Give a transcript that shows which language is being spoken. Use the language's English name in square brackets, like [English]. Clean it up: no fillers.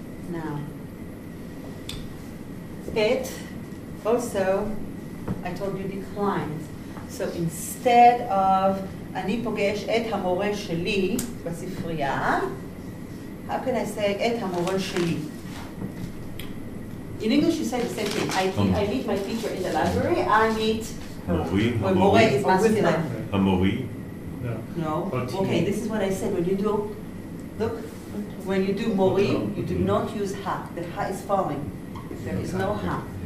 [English] Now, it also, I told you, declines. So instead of [Hebrew] אני פוגש את המורה שלי בספרייה, [English] how can I say [Hebrew] את המורה שלי? [English] In English, you say the same thing. I meet my teacher in the library. I meet [Hebrew] המורה [English] is masculine. [Hebrew] המורה? [English] No. Okay, this is what I said. When you do, look. When you do mori, you do not use ha. The ha is falling. There is no ha.